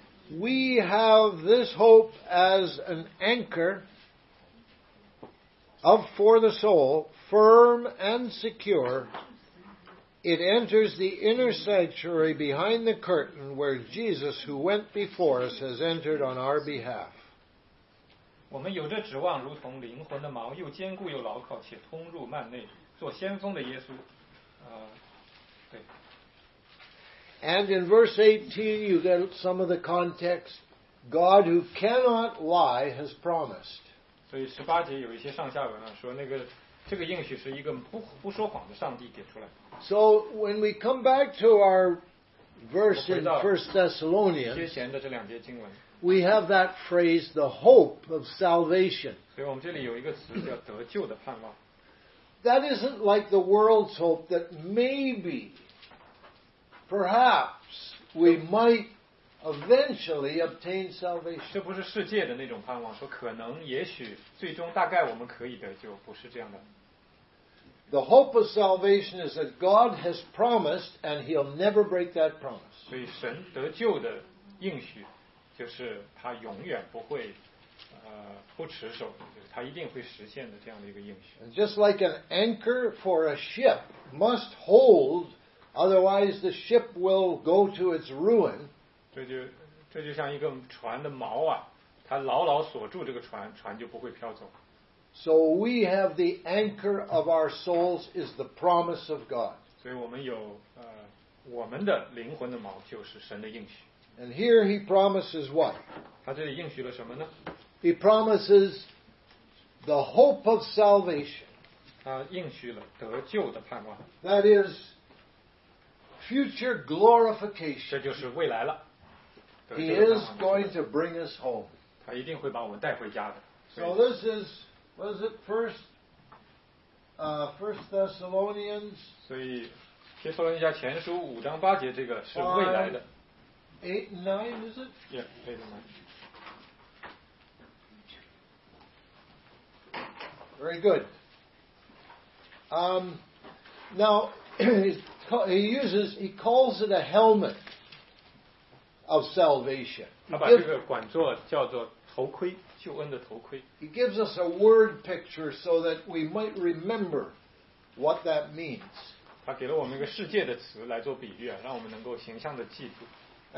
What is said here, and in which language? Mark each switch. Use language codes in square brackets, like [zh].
[en] We have this hope as an anchor of for the soul, firm and secure. It enters the inner sanctuary behind the curtain where Jesus, who went before us, has entered on our behalf. [zh] 我们有着指望，如同灵魂的锚，又坚固又牢靠，且通入幔内，做先锋的耶稣。对。 [en] And in verse 18, you get some of the context. God, who cannot lie, has promised. [zh] 所以十八节有一些上下文啊，说那个。这个应许是一个不说谎的上帝给出来的。 [en] So when we come back to our verse in 1 Thessalonians, [zh] 接前的这两节经文 [en] we have that phrase, the hope of salvation. [zh] 所以我们这里有一个词叫得救的盼望。 [en] That isn't like the world's hope that maybe, perhaps, we might eventually obtain salvation. [zh] 这不是世界的那种盼望，说可能、也许、最终、大概我们可以得救，不是这样的。 [en] The hope of salvation is that God has promised, and He'll never break that promise. [zh] 所以神得救的应许，就是他永远不会不持守，就是他一定会实现的这样的一个应许。 [en] And just like an anchor for a ship must hold, otherwise the ship will go to its ruin. [zh] 这就像一个船的锚啊，它牢牢锁住这个船，船就不会飘走。 [en] So we have the anchor of our souls is the promise of God. [zh] 所以我们有我们的灵魂的锚就是神的应许。 [en] And here he promises what? [zh] 他这里应许了什么呢？ [en] He promises the hope of salvation. [zh] 他应许了得救的盼望。 [en] That is future glorification. [zh] 这就是未来了。 [en] He is going to bring us home. [zh] 他一定会把我们带回家的。 [en] So this is. Was it First Thessalonians? [zh] 所以，提出了一下前书五章八节，这个是未来的。 [en] Eight and nine, is it? Yeah, eight and nine. Very good. Now he calls it a helmet of salvation. [zh] 他把这个管座叫做头盔。救恩的头盔。 [en] He gives us a word picture so that we might remember what that means. [zh] 他给了我们一个世界的词来做比喻啊，让我们能够形象的记住。